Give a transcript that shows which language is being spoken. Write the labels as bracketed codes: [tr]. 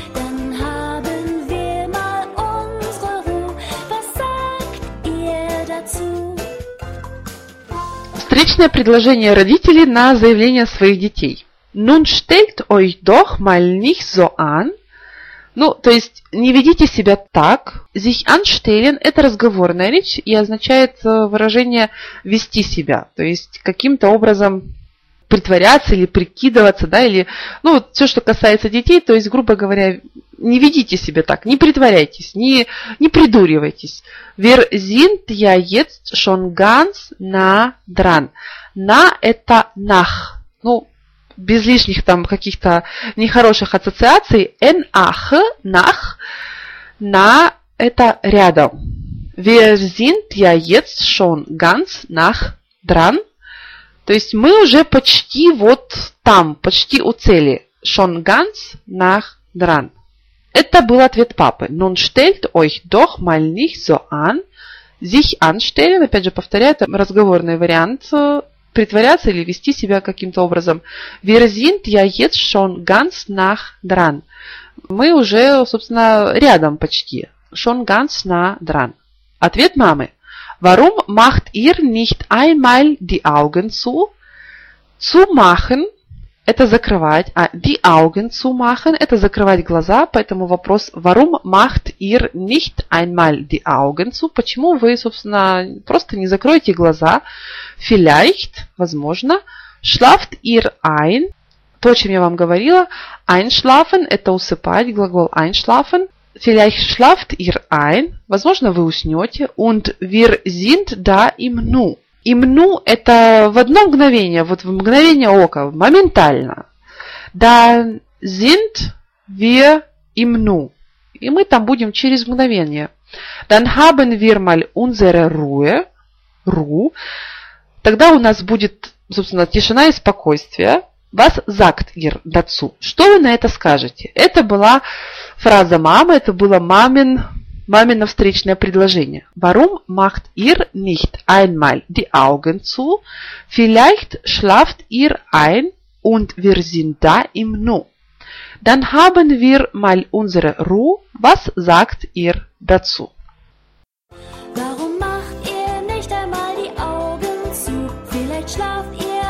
[de] Dann haben wir mal unsere Ruhe. Was sagt ihr dazu? [ru] Встречное предложение родителей на заявление своих детей. [de] Nun stellt euch doch mal nicht so an. [ru] Ну, то есть, не ведите себя так. Sich anstellen – это разговорная речь и означает выражение «вести себя». То есть, каким-то образом притворяться или прикидываться, да, или, ну, вот все, что касается детей, то есть, грубо говоря, не ведите себя так, не притворяйтесь, не придуривайтесь. [de] Wir sind ja jetzt schon ganz nah dran. [ru] На – это nach. Ну, без лишних там каких-то нехороших ассоциаций. Nach, nach. На – это рядом. [de] Wir sind ja jetzt schon ganz nah dran. [ru] То есть мы уже почти вот там, почти у цели. [de] Schon ganz nah dran. [ru] Это был ответ папы. [de] Nun stellt euch doch mal nicht so an. [ru] Sich anstellen, опять же повторяю, это разговорный вариант. Притворяться или вести себя каким-то образом. [de] Wir sind ja jetzt schon ganz nah dran. [ru] Мы уже, собственно, рядом почти. [de] Schon ganz nah dran. [ru] Ответ мамы. [de] Warum macht ihr nicht einmal die Augen zu? [ru] Zu machen – это закрывать. А [de] die Augen zu machen [ru] – это закрывать глаза. Поэтому вопрос, [de] warum macht ihr nicht einmal die Augen zu? [ru] Почему вы, собственно, просто не закроете глаза? Vielleicht, возможно. [de] Schlaft ihr ein [ru] – то, о чем я вам говорила. Einschlafen – это усыпать, глагол einschlafen. [de] Vielleicht schlaft ihr ein. [ru] Возможно, вы уснете. [de] Und wir sind da im Nu. [ru] Im Nu – это в одно мгновение, вот в мгновение ока, моментально. [de] Da sind wir im Nu. [ru] И мы там будем через мгновение. [de] Dann haben wir mal unsere Ruhe. [ru] Тогда у нас будет, собственно, тишина и спокойствие. [de] Was sagt ihr dazu? [ru] Что вы на это скажете? Это была фраза мамы, это было мамино встречное предложение. [de] Warum macht ihr nicht einmal die Augen zu? Vielleicht schlaft ihr ein und wir sind da im Nu. Dann haben wir mal unsere Ruhe. Was sagt ihr dazu? Warum macht ihr nicht einmal die Augen zu? Vielleicht schlaft ihr.